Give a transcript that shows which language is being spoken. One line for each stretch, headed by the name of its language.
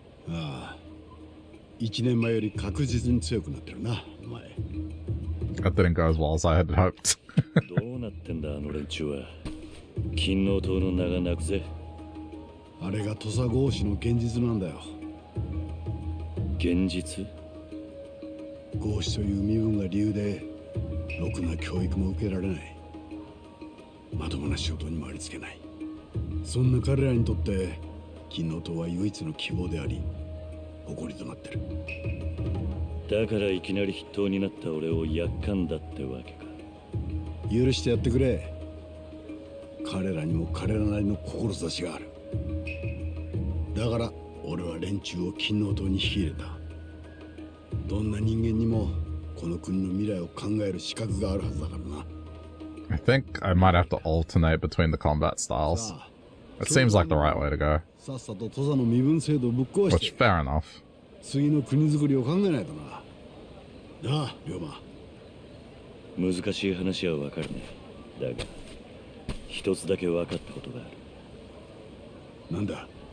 Japanese: ああ、一年前より確実に強くなってるな、お前。
English: That didn't go as well as I had hoped.
Japanese: どうなってんだ、あの連中は。金の塔の名がなくぜ。あれが土佐豪士の現実なんだよ。現実？豪士という身分が理由で、ろくな教育も受けられない。まともな仕事にもありつけない。そんな彼らにとって、金の塔は唯一の希望であり、誇りとなってる。だからいきなり筆頭になった俺を厄介だってわけか。許してやってくれ。彼らにも彼らなりの志がある。だから俺は連中を金の塔に引き入れた。どんな人間にもこの国の未来を考える資格があるはずだからな。
English: I think I might have to alternate between the combat styles. It seems like the right way to go.
Japanese: さっさと土佐の身分制度をぶっ壊して。
English: Which fair enough.
Japanese: 次の国づくりを考えないとな。なあ、龍馬。難しい話はわかるね。だが、一つだけわかったことがある。なんだ。